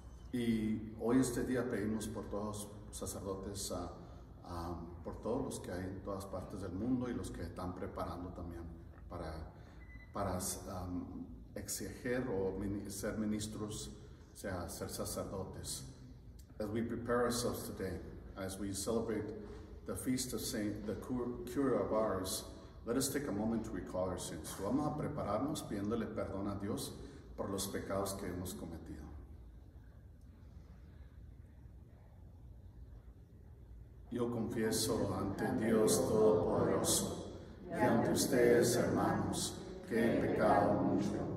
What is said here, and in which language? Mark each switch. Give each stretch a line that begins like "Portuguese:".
Spanish: Y hoy este día pedimos por todos los sacerdotes, por todos los que hay en todas partes del mundo y los que están preparando también para exigir o ser ministros, sea ser sacerdotes.
English: As we prepare ourselves today, as we celebrate the feast of Saint, the cure of ours, let us take a moment to recall our sins.
Spanish: Vamos a prepararnos pidiéndole perdón a Dios por los pecados que hemos cometido. Yo confieso ante Dios Todopoderoso y ante ustedes, hermanos, que he pecado mucho